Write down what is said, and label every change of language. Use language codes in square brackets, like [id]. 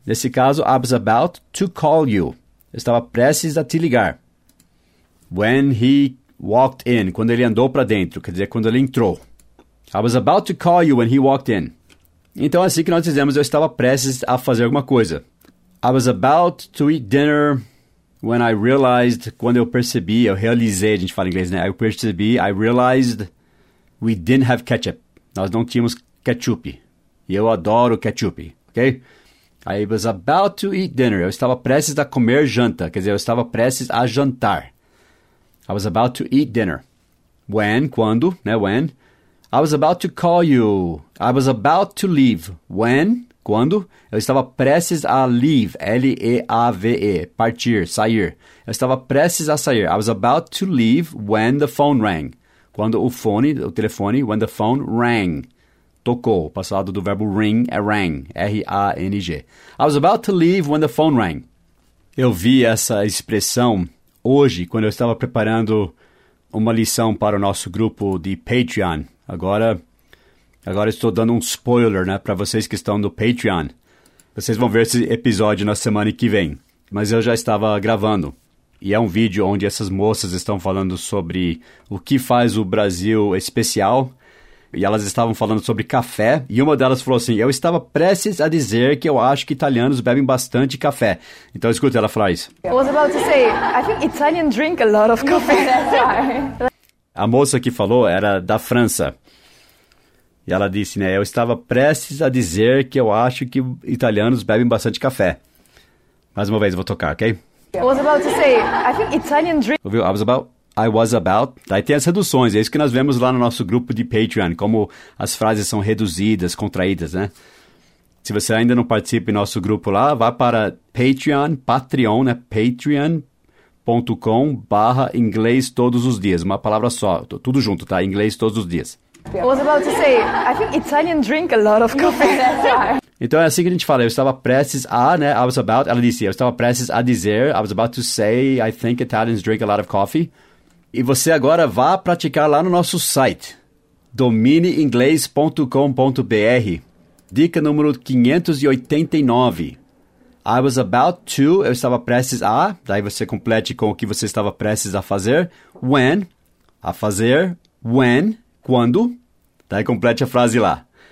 [pt] Nesse caso, [en] I was about to call you. [pt] Eu estava prestes a te ligar. [en] When he walked in, [pt] quando ele andou para dentro, quer dizer, quando ele entrou. [en] I was about to call you when he walked in. [pt] Então, assim que nós dizemos, eu estava prestes a fazer alguma coisa. [en] I was about to eat dinner when I realized, [pt] quando eu percebi, eu realizei, a gente fala em inglês, né? [en] I [pt] percebi, [en] I realized we didn't have ketchup. [pt] Nós não tínhamos ketchup. E eu adoro ketchup, ok? [en] I was about to eat dinner. [pt] Eu estava prestes a comer janta, quer dizer, eu estava prestes a jantar. [en] I was about to eat dinner. When, [pt] quando, né? [en] When. I was about to call you. I was about to leave. [pt] When, quando, eu estava prestes a leave. L-E-A-V-E. Partir, sair. Eu estava prestes a sair. [en] I was about to leave when the phone rang. [pt] Quando o fone, o telefone, [en] when the phone rang. [pt] Tocou. Passado do verbo ring é rang. R-A-N-G. [en] I was about to leave when the phone rang. [pt] Eu vi essa expressão hoje, quando eu estava preparando uma lição para o nosso grupo de Patreon. Agora estou dando um spoiler, né, para vocês que estão no Patreon. Vocês vão ver esse episódio na semana que vem. Mas eu já estava gravando. E é um vídeo onde essas moças estão falando sobre o que faz o Brasil especial. E elas estavam falando sobre café. E uma delas falou assim, eu estava prestes a dizer que eu acho que italianos bebem bastante café. Então escuta ela falar isso. [en] I was about to say, I think Italians drink a lot of coffee. [pt] A moça que falou era da França. E ela disse, né, eu estava prestes a dizer que eu acho que italianos bebem bastante café. Mais uma vez, eu vou tocar, ok? [en] I was about to say, I think Italian drink... Ouviu? I was about... [pt] Daí tem as reduções, é isso que nós vemos lá no nosso grupo de Patreon, como as frases são reduzidas, contraídas, né? Se você ainda não participa em nosso grupo lá, vá para Patreon, né? Patreon.com/inglês todos os dias. Uma palavra só, tudo junto, tá? Inglês todos os dias. [en] I was about to say, I think Italian drink a lot of coffee. [pt] Então é assim que a gente fala, eu estava prestes a, né? [en] I was about, [pt] ela disse, eu estava prestes a dizer, [en] I was about to say, I think Italians drink a lot of coffee. [pt] E você agora vá praticar lá no nosso site, dominiinglês.com.br. Dica número 589. [en] I was about to, [pt] eu estava prestes a, daí você complete com o que você estava prestes a fazer, when, a fazer, when, quando, daí complete a frase lá.